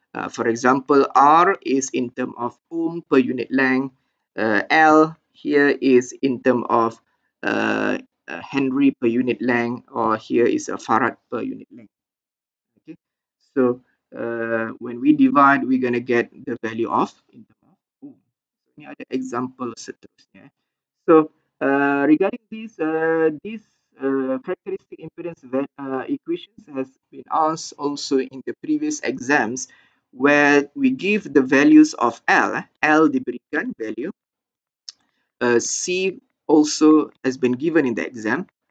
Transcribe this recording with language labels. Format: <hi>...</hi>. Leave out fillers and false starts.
<en>For example, R is in term of ohm per unit length. L here is in term of Henry per unit length, or here is a farad per unit length. Okay, so when we divide, we're gonna get the value of in term of ohm.</en> <ms>So ini ada example seterusnya.</ms> <en>So regarding this, characteristic impedance equations has been asked also in the previous exams, where we give the values of L diberikan value, C also has been given in the exam.</en>